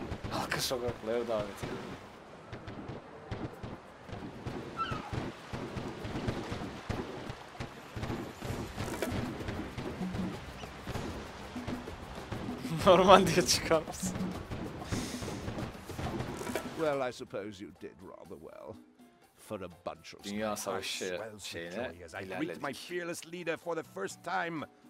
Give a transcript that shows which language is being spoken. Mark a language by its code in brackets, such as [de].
[tr] Halkı sokaklara davet ediyorum. Normal diye çıkarmışsın. [en] Well, I suppose you did rather well for a bunch of. [tr] Dünya savaşı şeyine ilerledik. [en] I greet my fearless leader for the first time.